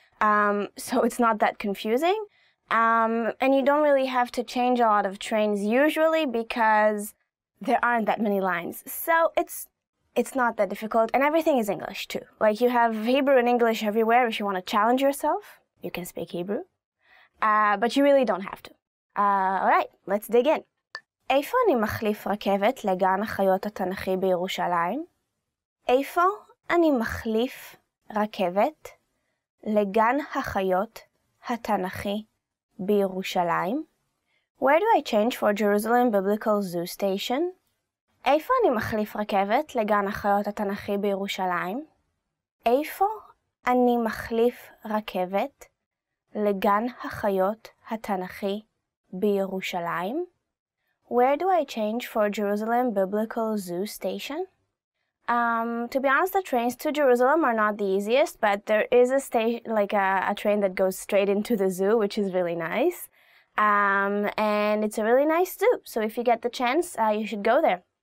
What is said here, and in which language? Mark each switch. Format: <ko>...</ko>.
<en>So it's not that confusing. And you don't really have to change a lot of trains usually because there aren't that many lines. So it's not that difficult. And everything is English too. Like you have Hebrew and English everywhere. If you want to challenge yourself, you can speak Hebrew. But you really don't have to. All right, let's dig in.</en> <he>איפה אני מחליף רכבת לגן החיות התנכי בירושלים? איפה אני מחליף רכבת לגן החיות התנכי בירושלים?</he> <en>Where do I change for Jerusalem Biblical Zoo Station?</en> <he>איפה אני מחליף רכבת לגן החיות התנכי בירושלים? איפה אני מחליף רכבת לגן החיות התנכי בירושלים?</he> <en>Where do I change for Jerusalem Biblical Zoo Station? To be honest, the trains to Jerusalem are not the easiest, but there is a station, like a train that goes straight into the zoo, which is really nice. And it's a really nice zoo, so if you get the chance, you should go there.</en>